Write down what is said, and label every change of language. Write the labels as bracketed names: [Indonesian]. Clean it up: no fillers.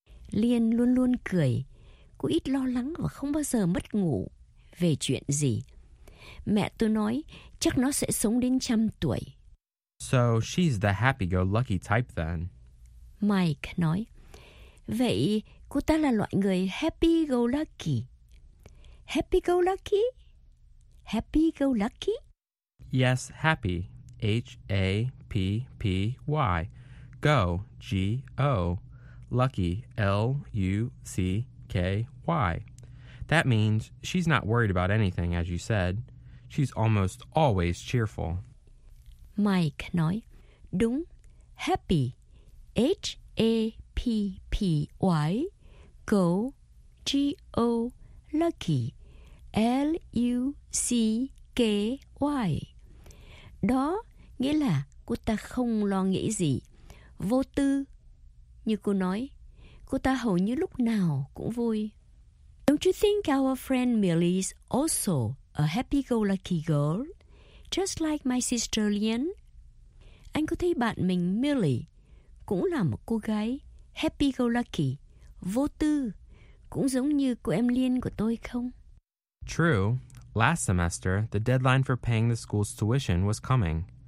[Vietnamese] Liên luôn luôn cười. Cô ít lo lắng và không bao giờ mất ngủ về chuyện gì. Mẹ tôi nói chắc nó sẽ sống đến 100 tuổi. [English] So she's the happy-go-lucky type then. [Vietnamese] Mike nói, vậy cô ta là loại người happy-go-lucky. [English] Happy-go-lucky? Happy-go-lucky? Yes, happy. H-A-P-P-Y. Go, G-O. Lucky, L-U-C-K-Y. That means she's not worried about anything, as you said. She's almost always cheerful. [Vietnamese] Mike nói, đúng, happy, H-A-P-P-Y, go, G-O, lucky, L-U-C-K-Y. Đó nghĩa là cô ta không lo nghĩ gì, vô tư. Như cô nói, cô ta hầu như lúc nào cũng vui. [English] Don't you think our friend Millie is also a happy-go-lucky girl, just like my sister Lian? [Vietnamese] Anh có thấy bạn mình Millie cũng là một cô gái happy-go-lucky, vô tư, cũng giống như cô em Lian của tôi không? [English] True. Last semester, the deadline for paying the school's tuition was coming.